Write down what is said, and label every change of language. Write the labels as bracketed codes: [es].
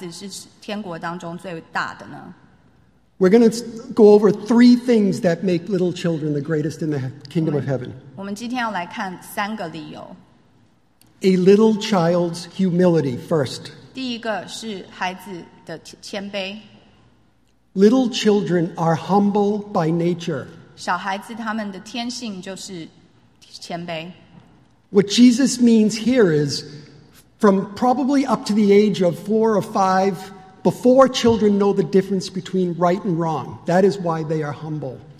[zh] 所以到底为什么孩子是天国当中最大的呢? [en] We're going to go over three things that make little children the greatest in the kingdom of heaven. [zh] 我们今天要来看三个理由。 [en] A little child's humility first. [zh] 第一个是孩子的谦卑。 [en] Little children are humble by nature. [zh] 小孩子他们的天性就是谦卑。 [en] What Jesus means here is, from probably up to the age of 4 or 5, before children know the difference between right and wrong, that is why they are humble.